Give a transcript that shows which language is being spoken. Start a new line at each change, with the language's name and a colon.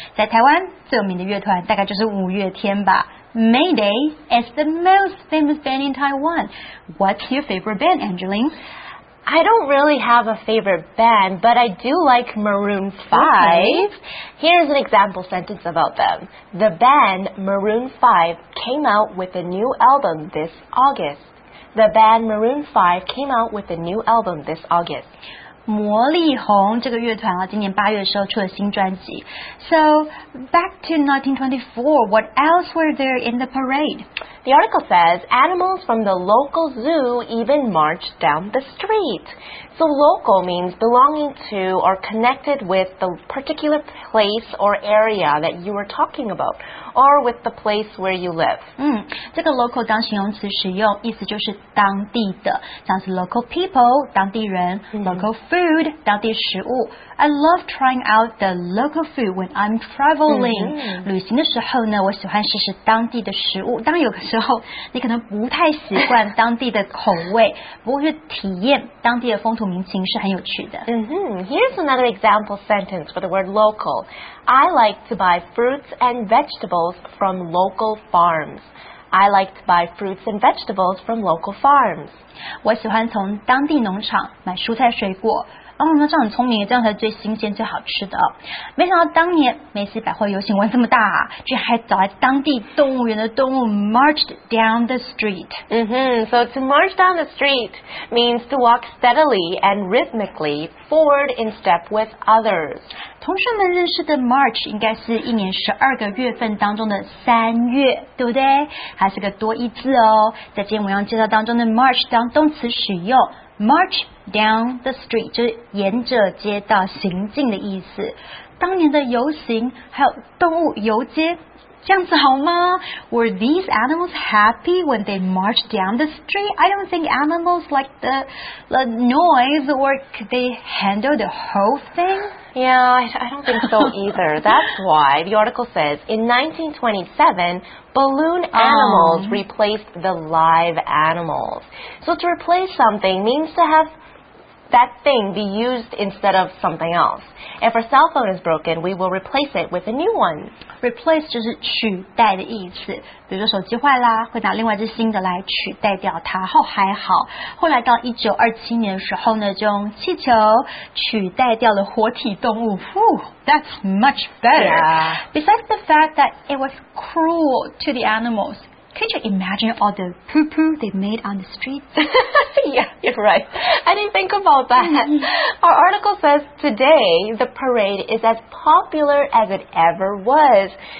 Chinese: 在台湾最有名的乐团大概就是五月天吧。
English: Mayday is the most famous band in Taiwan. What's your favorite band, Angeline? I don't really have a favorite band, but I do like Maroon 5. Okay. Here's an example sentence about them. The band Maroon 5 came out with a new album this August. The band Maroon 5 came out with a new album this August.
Chinese: 魔力红这个乐团啊，今年八月的时候出了新专辑。
English: So, back to 1924, what else were there in the parade? The article says animals from the local zoo even marched down the street. So local means belonging to or connected with the particular place or area that you were talking about, or with the place where you live.
Chinese: 这个 local 当形容词使用，意思就是当地的，像是 local people 当地人、local food。
English: food,
Chinese: 到底食物。
English: I love trying out the local food when I'm traveling.、Mm-hmm.
Chinese: 旅行的时候呢，我喜欢试试当地的食物。当有时候你可能不太习惯当地的口味，不过去体验当地的风土民情是很有趣的。 Mm-hmm.
English: Here's another example sentence for the word local. I like to buy fruits and vegetables from local farms. I like to buy fruits and vegetables from local farms.
Chinese: 我喜欢从当地农场买蔬菜水果。哦，那这样很聪明，这样才是最新鲜最好吃的。没想到当年梅西百货游行玩这么大、啊、居然还找来当地动物园的动物
English: marched down the street. Mm-hmm. So to march down the street means to walk steadily and rhythmically forward in step with others.
Chinese: 同学们认识的 march 应该是一年十二个月份当中的三月，对不对？还是个多义字哦。在今天文章介绍当中的 march 当动词使用
English: March down the street
Chinese: 就是沿着街道行进的意思。当年的游行还有动物游街，这样子好吗？
English: Were these animals happy when they marched down the street? I don't think animals like the noise or could they handle the whole thing? Yeah, I don't think so either. That's why the article says in 1927, balloon animals replaced the live animals. So to replace something means to haveThat thing be used instead of something else. If our cell phone is broken, we will replace it with a new one.
Chinese: Replace 就是取代的意思。比如说手机坏啦，会拿另外一只新的来取代掉它。哦，还好。后来到1927年的时候呢，就用气球取代掉了活体动物。
English: Whew, that's much better. Yeah. Besides the fact that it was cruel to the animals,Can't you imagine all the poo-poo they made on the streets? Yeah, you're right. I didn't think about that. Our article says today the parade is as popular as it ever was.